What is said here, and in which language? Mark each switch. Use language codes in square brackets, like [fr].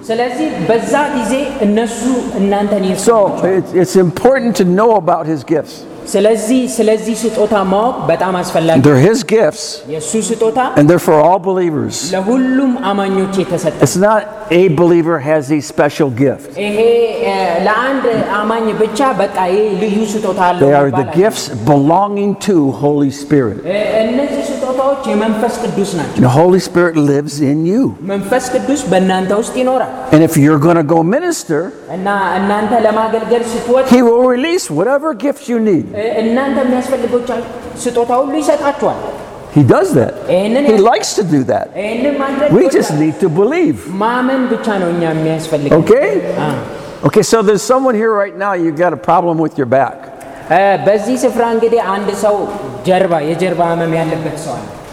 [en] So it's important to know about His gifts. [am] ስለዚህ ስጦታ ማወቅ በጣም አስፈላጊ ነው. [en] They're his gifts. [am] የሱ ስጦታ. [en] And they're for all believers. [am] ለሁሉም አማኞች የተሰጠ. [en] It's not a believer has a special gift. [am] እሄ ለአንድ አማኝ ብቻ በቃ ልዩ ስጦታ አለው. [en] They are the gifts belonging to Holy Spirit. [am] እነዚህ ስጦታዎች የመንፈስ ቅዱስ ናቸው. [en] The Holy Spirit lives in you. [am] መንፈስ ቅዱስ በእናንተ ውስጥ ይኖራል. [en] And if you're going to go minister, [am] እናንተ ለማገልገል ስትወጡ, [en] he will release whatever gifts you need. [am] እናንተ የሚያስፈልጎቻችሁ ስጦታ ሁሉ ይሰጣችኋል. [en] He does that. He likes to do that. We just need to believe. [am] ማመን ብቻ ነው እኛ የሚያስፈልገው. [en] Okay? Okay, so there's someone here right now, you've got a problem with your back. [am] በዚህ ስፍራ እንግዲህ አንድ ሰው ጀርባ የጀርባ ህመም ያለበት ሰው አለ.